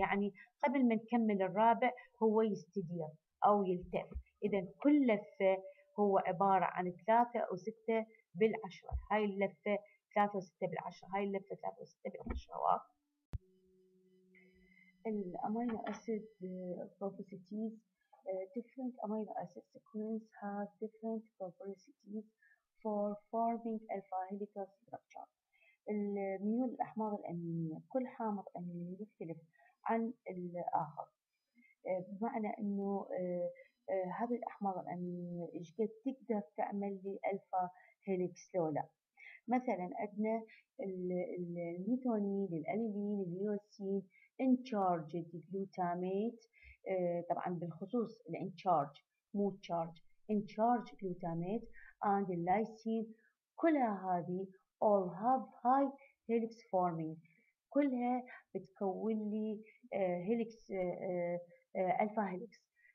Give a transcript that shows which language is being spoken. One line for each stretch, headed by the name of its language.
Arabic: يعني قبل ما نكمل الرابع هو يستدير أو يلتف. إذا كل لفة هو عبارة عن 3.6 بالعشرة، هاي اللفة 3.6 بالعشرة، هاي اللفة 3.6 بالعشرة.
English: الأمينو acid propensities different amino acid sequences have different properties for forming alpha helical structure.
Arabic: الميول الأحماض الأمينية كل حامض أميني يختلف عن الآخر، بمعنى إنه هذه الأحماض الأمينية إيش قد تقدر تعمل لي ألفا هيليكس لولا. مثلاً عندنا الميثيونين الألينين اليوسين
English: in charge glutamate،
Arabic: طبعاً بالخصوص ال
English: in charge
Arabic: مو
English: charge in charge glutamate and the lysine
Arabic: كلها هذه
English: all have high helix forming،
Arabic: كلها بتكون لي
English: helix alpha helix.